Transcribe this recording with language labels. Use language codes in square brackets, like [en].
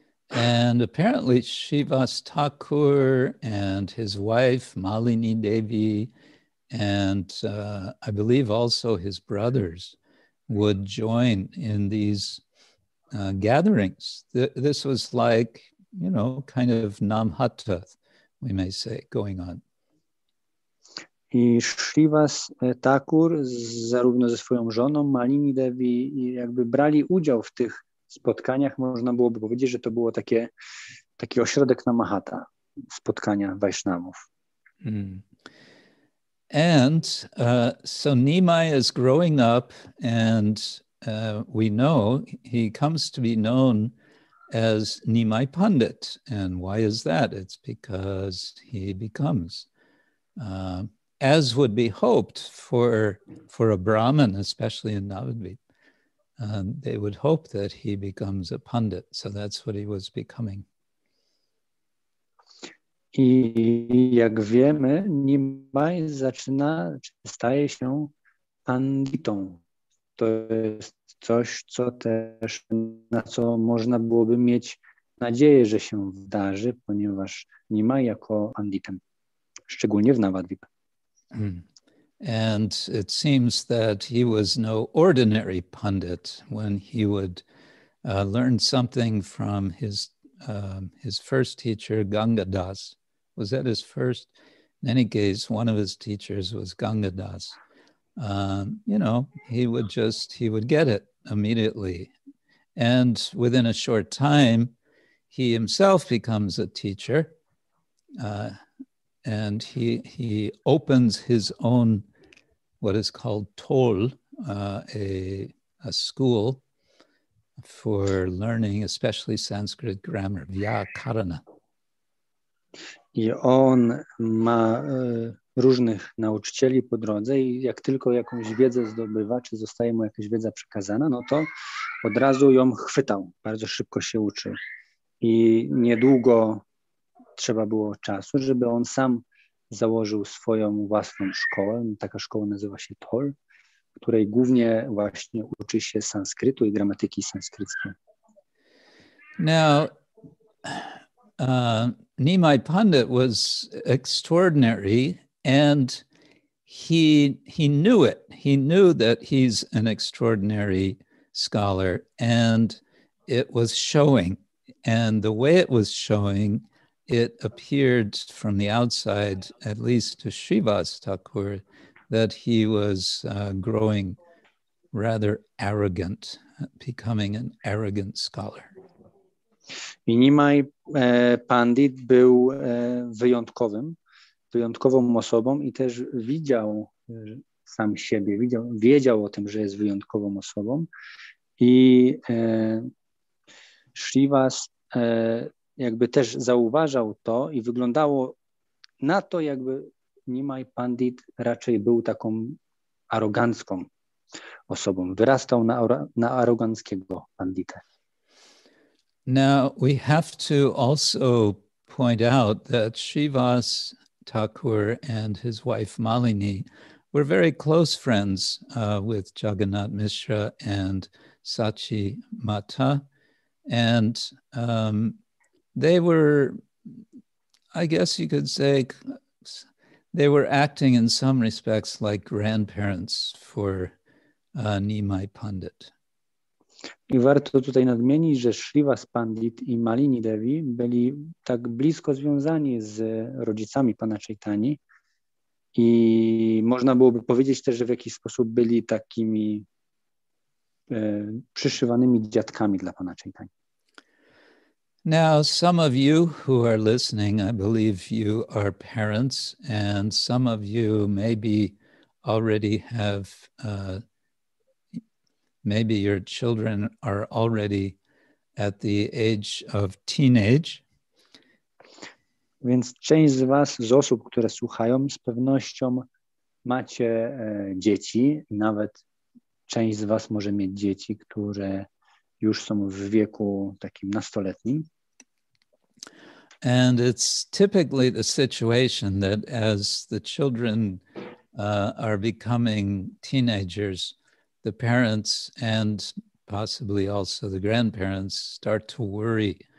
[en] And apparently Srivas Thakur and his wife Malini Devi and I believe also his brothers would join in these gatherings. This was like, you know, kind of namhatta, we may say, going on. [pl] I Srivas Thakur zarówno ze swoją żoną Malini Devi jakby brali udział w tych spotkaniach, można byłoby powiedzieć, że to było taki ośrodek na Mahata, spotkania Vaishnavów. Mm. [en] And so Nimai is growing up and we know he comes to be known as Nimai Pandit. And why is that? It's because he becomes, as would be hoped for a Brahmin, especially in Navadvipa. They would hope that he becomes a pundit. So that's what he was becoming. [pl] I jak wiemy, Nimai zaczyna, staje się panditą. To jest coś, co też, na co można byłoby mieć nadzieję, że się wdarzy, ponieważ Nimai jako panditem, szczególnie w Navadvipa. [en] And it seems that he was no ordinary pundit when he would learned something from his first teacher, Ganga Das. Was that his first? In any case, one of his teachers was Ganga Das. He would get it immediately. And within a short time, he himself becomes a teacher. And he opens his own, what is called tol, a school for learning, especially Sanskrit grammar, vyakarana. [pl] I on ma różnych nauczycieli po drodze i jak tylko jakąś wiedzę zdobywa, czy zostaje mu jakaś wiedza przekazana, no to od razu ją chwytał, bardzo szybko się uczy. I niedługo trzeba było czasu, żeby on sam założył swoją własną szkołę. Taka szkoła nazywa się Tol, w której głównie właśnie uczy się sanskrytu i gramatyki sanskryckiej. [en] Now, Nimai Pandit was extraordinary and he knew it. He knew that he's an extraordinary scholar and it was showing. And the way it was showing, it appeared from the outside, at least to Srivas Thakur, that he was growing rather arrogant, becoming an arrogant scholar. [pl] I Nimai Pandit był wyjątkowym, wyjątkową osobą i też widział sam siebie, wiedział o tym, że jest wyjątkową osobą. I Srivas jakby też zauważał to i wyglądało na to, jakby Nimai Pandit raczej był taką arogancką osobą. Wyrastał na aroganckiego Pandita. [en] Now, we have to also point out that Srivas Thakur and his wife Malini were very close friends with Jagannath Mishra and Sachi Mata. And they were, I guess you could say, they were acting in some respects like grandparents for Nimai Pandit. [pl] I warto tutaj nadmienić, że Srivas Pandit i Malini Devi byli tak blisko związani z rodzicami pana Chaitani i można byłoby powiedzieć też, że w jakiś sposób byli takimi przyszywanymi dziadkami dla pana Chaitani. [en] Now, some of you who are listening, I believe you are parents, and some of you maybe already have, maybe your children are already at the age of teenage. [pl] Więc część z was, z osób, które słuchają, z pewnością macie dzieci, nawet część z was może mieć dzieci, które już są w wieku takim nastoletnim. [en] And it's typically the situation that as the children are becoming teenagers, the parents and possibly also the grandparents start to worry